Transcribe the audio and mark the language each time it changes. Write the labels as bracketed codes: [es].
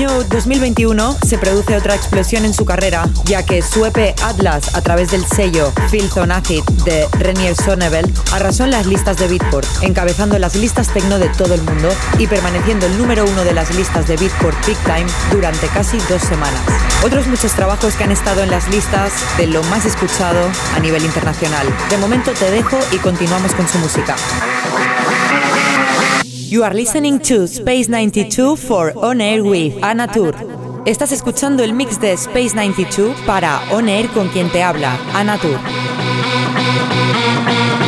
[es] 2021 se produce otra explosión en su carrera, ya que su EP Atlas, a través del sello Filth on Acid de Renier Sonnevel, arrasó en las listas de Beatport, encabezando las listas techno de todo el mundo y permaneciendo el número uno de las listas de Beatport Peak Time durante casi 2 semanas. Otros muchos trabajos que han estado en las listas de lo más escuchado a nivel internacional. De momento te dejo y continuamos con su música. [en] You are listening to Space 92 for On Air with Anna Tour. [es] Estás escuchando el mix de Space 92 para On Air con quien te habla, Anatur. [en] We'll be right back.